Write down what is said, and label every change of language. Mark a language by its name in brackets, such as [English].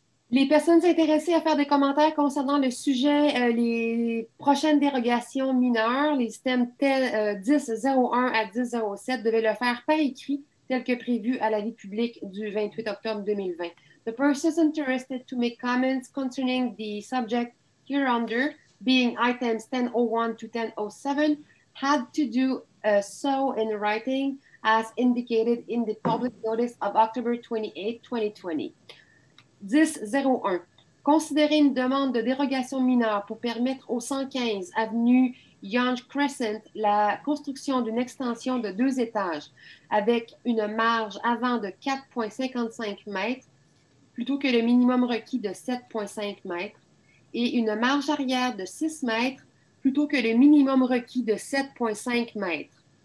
[French] Les personnes intéressées à faire des commentaires concernant le sujet, les prochaines dérogations mineures, les items 10.01 à 10.07, devaient le faire par écrit, tel que prévu à l'avis public du 28 octobre 2020. [English] The persons interested to make comments concerning the subject hereunder, being items 10.01 to 10.07, had to do so in writing, as indicated in the public notice of October 28, 2020. 10.01. [French] Considérer une demande de dérogation mineure pour permettre au 115 avenue Yonge Crescent la construction d'une extension de 2 étages avec une marge avant de 4,55 mètres plutôt que le minimum requis de 7,5 mètres et une marge arrière de 6 mètres plutôt que le minimum requis de 7,5 mètres.